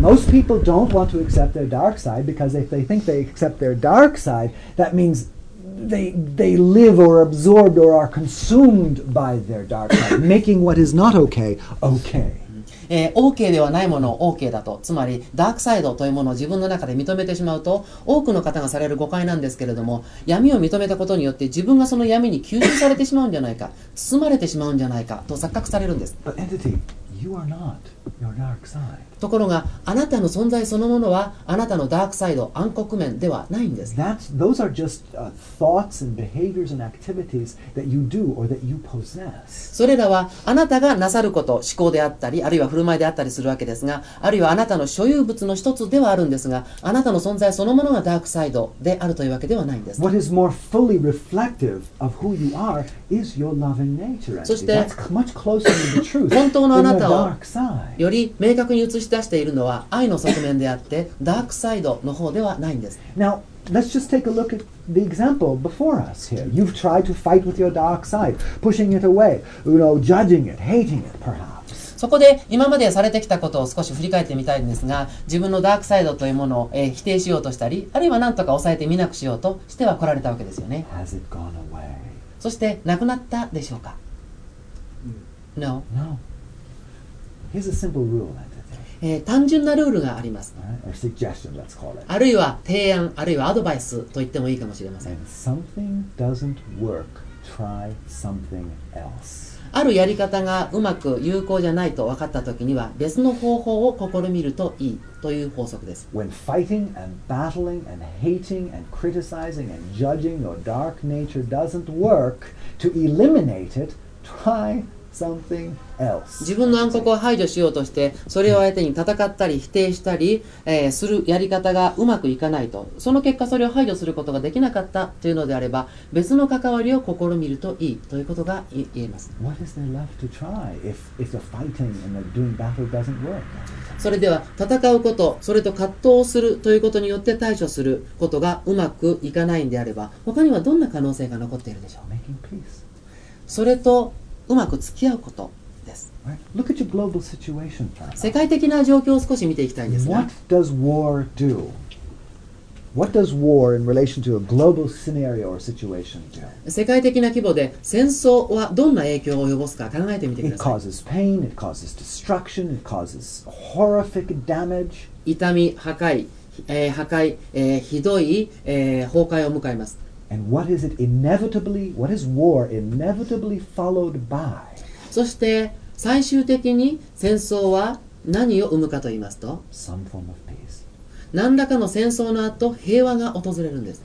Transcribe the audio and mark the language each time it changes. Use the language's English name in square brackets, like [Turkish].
[English] Most people don't want to accept their dark side because if they think they accept their dark side, that means they live or absorbed or are consumed by their dark side, making what is not okay, okay. [Japanese] OK ではないものを OK だと、つまりダークサイドというものを自分の中で認めてしまうと、多くの方がされる誤解なんですけれども、闇を認めたことによって自分がその闇に吸収されてしまうんじゃないか、包まれてしまうんじゃないかと錯覚されるんです。 [English] But entity, you are not your dark side. [Japanese] ところがあなたの存在そのものはあなたのダークサイド、暗黒面ではないんです。 [English] Those are just thoughts and behaviors and activities that you do or that you possess. [Japanese] それらはあなたがなさること、思考であったり、あるいは振る舞いであったりするわけですが、あるいはあなたの所有物の一つではあるんですが、あなたの存在そのものがダークサイドであるというわけではないんです。 [English] What is more fully reflective of who you are is your loving nature. [Japanese] そして [English] That's much closer to the truth. [Japanese] 本当のあなたをより明確に映し出しているのは愛の側面であって、ダークサイドの方ではないんです。 [English] Now, let's just take a look at the example before us here. You've tried to fight with your dark side, pushing it away, you know, judging it, hating it, perhaps. [Japanese] そこで今までされてきたことを少し振り返ってみたいんですが、自分のダークサイドというものを否定しようとしたり、あるいは何とか抑えて見なくしようとしては来られたわけですよね。 [English] Has it gone away? [Japanese] そしてなくなったでしょうか？ [English] No. No. Here's a simple rule, entity. [Japanese] 単純なルールがあります。 [English] Right? A suggestion, let's call it. [Japanese] あるいは提案、あるいはアドバイスと言ってもいいかもしれません。 [English] And something doesn't work, try something else. [Japanese] あるやり方がうまく有効じゃないと分かったときには、別の方法を試みるといいという法則です。 [English] When fighting and battling and hating and criticizing and judging your dark nature doesn't work to eliminate it, try something else. [Japanese] 自分の暗黒を排除しようとして、それを相手に戦ったり否定したり、するやり方がうまくいかないと、その結果それを排除することができなかったというのであれば、別の関わりを試みるといいということが言えます。 [English] What is there left to try if the fighting and the doing battle doesn't work? [Japanese] それでは戦うこと、それと葛藤をするということによって対処することがうまくいかないんであれば、他にはどんな可能性が残っているでしょう。 [English] Making peace. [Japanese] それとうまく付き合うことです。 [English] Right. Look at your global situation. [Japanese] 世界的な状況を少し見ていきたいんですが。 [English] What does war do? What does war in relation to a global scenario or situation do? [Japanese] 世界的な規模で戦争はどんな影響を及ぼすか考えてみてください。 [English] It causes pain. It causes destruction. It causes horrific damage. [Japanese] 痛み、破壊、破壊、ひどい、崩壊を迎えます。 [English] And what is it inevitably, what is war inevitably followed by? [Japanese] そして最終的に戦争は何を生むかと言いますと、 [English] Some form of peace. [Japanese] 何らかの戦争の後、平和が訪れるんです。